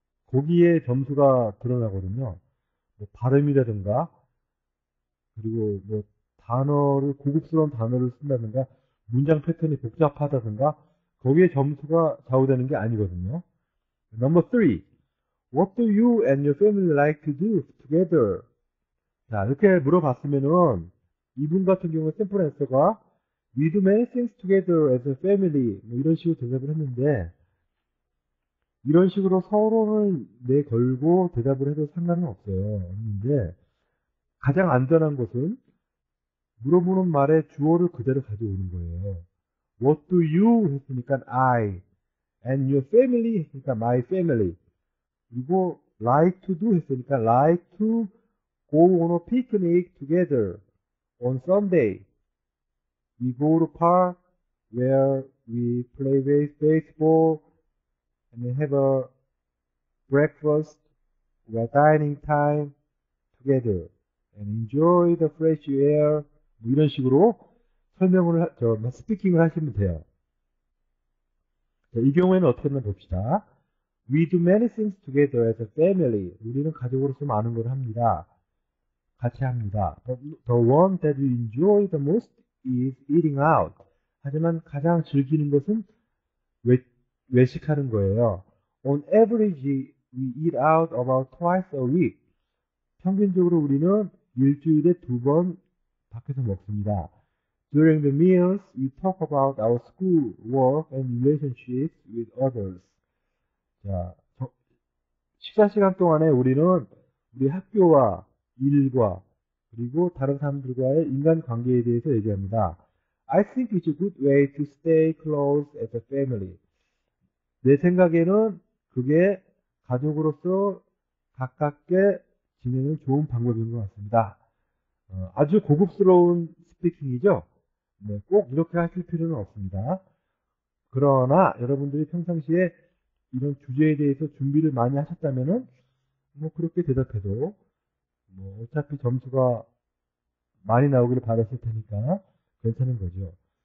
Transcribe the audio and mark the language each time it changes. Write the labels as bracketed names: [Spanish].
[Korean] 거기에 점수가 드러나거든요. 뭐 발음이라든가, 그리고 뭐 고급스러운 단어를 쓴다든가, 문장 패턴이 복잡하다든가, 거기에 점수가 좌우되는 게 아니거든요. [English] Number three. What do you and your family like to do together? [Korean] 자, 이렇게 물어봤으면은, 이분 같은 경우는 샘플 앤서가 [English] We do many things together as a family [Korean] 뭐 이런 식으로 대답을 했는데 이런 식으로 서로를 내걸고 대답을 해도 상관은 없어요. 없는데 가장 안전한 것은 물어보는 말에 주어를 그대로 가져오는 거예요. [English] What do you [Korean] 했으니까 [English] I and your family 했으니까 my family [Korean] 그리고 [English] like to do 했으니까 like to go on a picnic together On Sunday, we go to park where we play baseball and have a breakfast or dining time together and enjoy the fresh air. [Korean] 뭐 이런 식으로 스피킹을 하시면 돼요. 자, 이 경우에는 어떻게 했나 봅시다. [English] We do many things together as a family. [Korean] 우리는 가족으로서 많은 걸 합니다. 같이 합니다. [English] The one that we enjoy the most is eating out. [Korean] 하지만 가장 즐기는 것은 외식하는 거예요. [English] On average, we eat out about twice a week. [Korean] 평균적으로 우리는 일주일에 두번 밖에서 먹습니다. [English] During the meals, we talk about our school work and relationships with others. [Korean] 자, 식사 시간 동안에 우리는 우리 학교와 일과 그리고 다른 사람들과의 인간관계에 대해서 얘기합니다. [English] I think it's a good way to stay close as a family. [Korean] 내 생각에는 그게 가족으로서 가깝게 지내는 좋은 방법인 것 같습니다. 아주 고급스러운 스피킹이죠? 네, 꼭 이렇게 하실 필요는 없습니다. 그러나 여러분들이 평상시에 이런 주제에 대해서 준비를 많이 하셨다면은 뭐 그렇게 대답해도 뭐 어차피 점수가 많이 나오기를 바랐을 테니까 괜찮은 거죠.